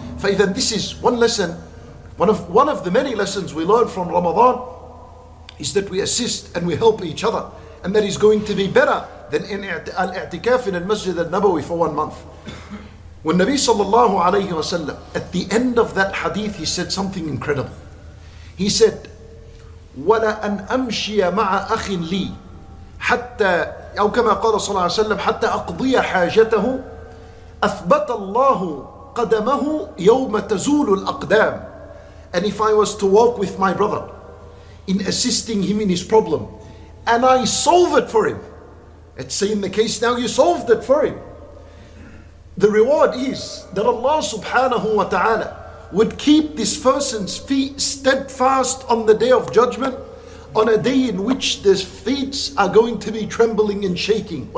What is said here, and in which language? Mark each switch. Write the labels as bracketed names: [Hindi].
[English] فَإِذَا this is one lesson, one of the many lessons we learn from Ramadan is that we assist and we help each other, and that is going to be better than in al-i'tikaf in al-Masjid al-Nabawi for 1 month. When Nabi sallallahu alayhi wa sallam, at the end of that hadith, he said something incredible. He said, [Arabic] وَلَا أَنْ أَمْشِيَ مَعَ أَخٍ لِي حَتَّى أو كما قال صلى الله عليه وسلم حَتَّى أَقْضِيَ حَاجَتَهُ أَثْبَتَ اللَّهُ قَدَمَهُ يَوْمَ تَزُولُ الْأَقْدَامِ. [English] And if I was to walk with my brother in assisting him in his problem and I solve it for him, let's say in the case now you solved it for him, the reward is that Allah subhanahu wa ta'ala would keep this person's feet steadfast on the day of judgment, on a day in which their feet are going to be trembling and shaking.